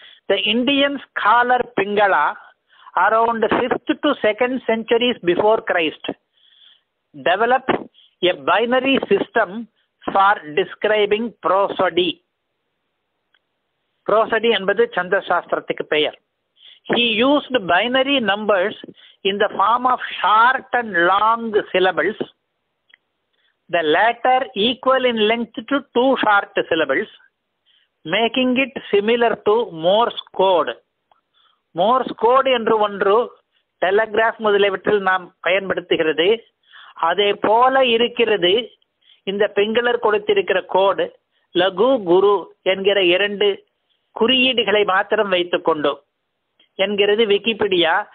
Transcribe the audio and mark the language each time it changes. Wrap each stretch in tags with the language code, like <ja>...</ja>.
<en>The Indian scholar Pingala around 5th to 2nd centuries before Christ develop a binary system for describing prosody.</en> <ta>ப்ரோசடி என்பது சந்திரசாஸ்திரத்துக்கு பெயர்.</ta> <en>He used binary numbers in the form of short and long syllables, the latter equal in length to 2 short syllables, making it similar to Morse code.</en> <ta>Morse code என்று ஒன்று Telegraph முதலியவற்றில் நாம் பயன்படுத்துகிறது. அதே போல இருக்கிறது இந்த பெங்களர் கொடுத்திருக்கிற கோடு. லகு, குரு என்கிற இரண்டு குறியீடுகளை மாத்திரம் வைத்துக் கொண்டு என்கிறது விக்கிபீடியா.</ta>